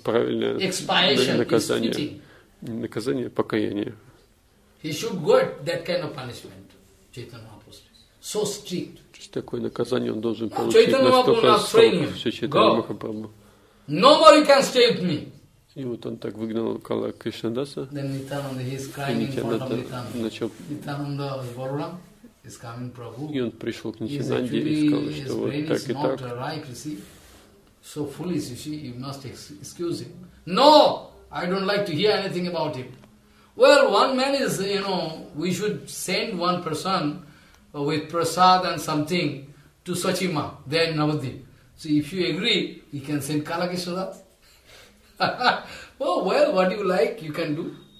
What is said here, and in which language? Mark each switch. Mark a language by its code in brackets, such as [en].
[ru] правильное наказание, не наказание, а покаяние. [en] He should get that kind of punishment, Chaitanya Mahaprabhu. So strict. [ru] Такое наказание он должен получить настолько строго, все Чайтанья Махапрабху. [en] Nobody can stay with me. [ru] И вот он так выгнал Калакришна Даса. [en] Then Nityananda, he is crying in front of Nityananda. [ru] Начал. [en] Nityananda was born, is coming Prabhu. [ru] И он пришел к Нитянанде и сказал, что вот так и так. [en] So foolish, you see, you must excuse him. No, I don't like to hear anything about him. Well, one man is, you know, we should send one person with prasad and something to Sachima, there in Navadvip. So if you agree, we can send Калакришна Дас. Oh, well, what you like, you can do.